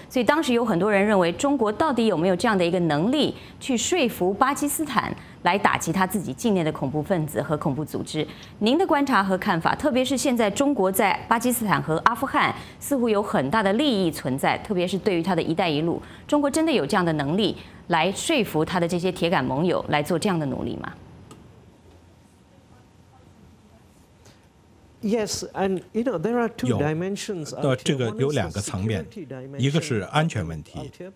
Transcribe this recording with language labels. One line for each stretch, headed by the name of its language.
Chinese: 所以当时有很多人认为，中国到底有没有这样的一个能力去说服巴基斯坦来打击他自己境内的恐怖分子和恐怖组织？您的观察和看法，特别是现在中国在巴基斯坦和阿富汗似乎有很大的利益存在，特别是对于他的一带一路，中国真的有这样的能力来说服他的这些铁杆盟友来做这样的努力吗？
English: Yes, and you know, there are two dimensions.
Chinese: 有，这个有两个层面，一个是安全问题。